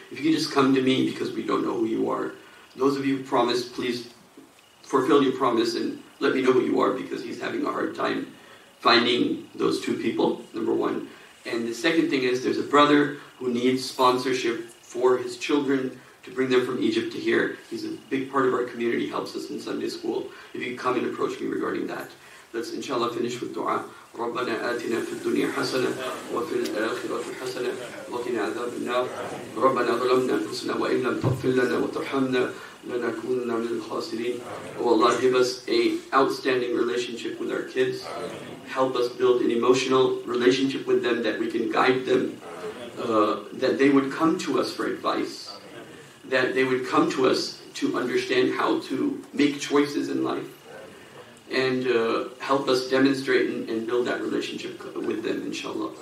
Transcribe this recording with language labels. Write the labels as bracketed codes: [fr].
[en] If you could just come to me, because we don't know who you are. Those of you who promised, please fulfill your promise and let me know who you are, because he's having a hard time finding those two people, number one. And the second thing is, there's a brother who needs sponsorship for his children to bring them from Egypt to here. He's a big part of our community, helps us in Sunday school. If you come and approach me regarding that. Let's inshallah finish with dua. [ar] ربنا آتنا في الدنيا حسنة وفي الآخرة حسنة وقنا عذاب النار ربنا ظلمنا أنفسنا وإن لم تغفر لنا وترحمنا لنكونن من الخاسرين. [en] Oh Allah, give us a outstanding relationship with our kids. Help us build an emotional relationship with them that we can guide them, that they would come to us for advice, that they would come to us to understand how to make choices in life, and help us demonstrate and build that relationship with them, inshallah.